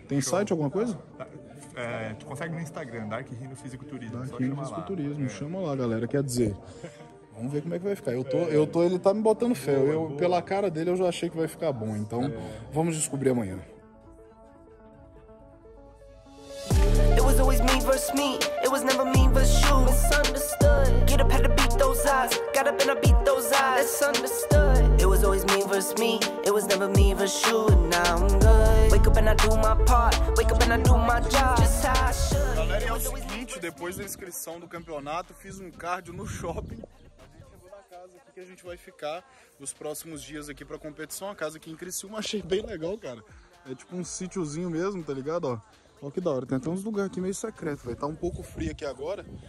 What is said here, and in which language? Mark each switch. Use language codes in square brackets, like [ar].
[pt] Tem site, alguma coisa? É, tu consegue no Instagram, Dark Rhino Fisiculturismo. Dark Rhino Fisiculturismo, chama lá, galera, quer dizer... Vamos ver como é que vai ficar. Eu tô, ele tá me botando fé. Pela cara dele, eu já achei que vai ficar bom. Então, vamos descobrir amanhã. [en] It was always me versus me. It was never me versus you. Misunderstood. Get up, had to beat those eyes. Got up and I beat those eyes. Misunderstood. It was always me versus me. It was never me versus you. Now I'm good. Wake up and I do my part. Wake up and I do my job. Just how I should. [pt] Galera, é o seguinte, depois da inscrição do campeonato, fiz um cardio no shopping. Que a gente vai ficar os próximos dias aqui pra competição. A casa aqui em Criciúma, achei bem legal, cara. É tipo um sítiozinho mesmo, tá ligado? Ó que da hora. Tem até uns lugares aqui meio secreto, velho. Tá um pouco frio aqui agora.